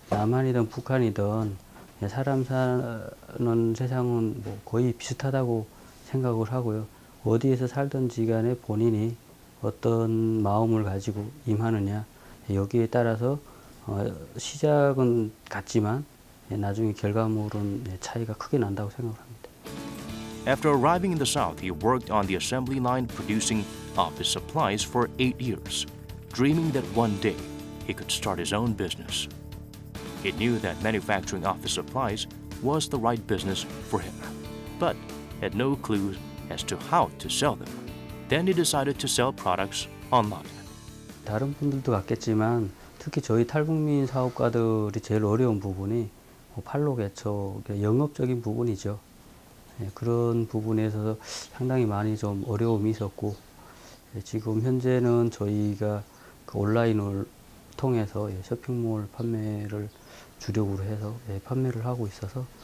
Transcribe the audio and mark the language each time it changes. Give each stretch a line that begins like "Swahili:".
Korean: 남한이든 북한이든 사람 사는 세상은 뭐 거의 비슷하다고 생각을 하고요. 어디에서 살든지 간에 본인이 어떤 마음을 가지고 임하느냐 여기에 따라서 시작은 같지만 나중에 결과물은 차이가 크게 난다고 생각합니다.
English: After arriving in the South, he worked on the assembly line producing office supplies for 8 years, dreaming that one day he could start his own business. He knew that manufacturing office supplies was the right business for him, but had no clue as to how to sell them. Then he decided to sell products online.
Korean: 다른 분들도 같겠지만, 특히 저희 탈북민 사업가들이 제일 어려운 부분이 팔로 개척, 영업적인 부분이죠. 그런 부분에서 상당히 많이 좀 어려움이 있었고 지금 현재는 저희가 그 온라인을 통해서 쇼핑몰 판매를 주력으로 해서 판매를 하고 있어서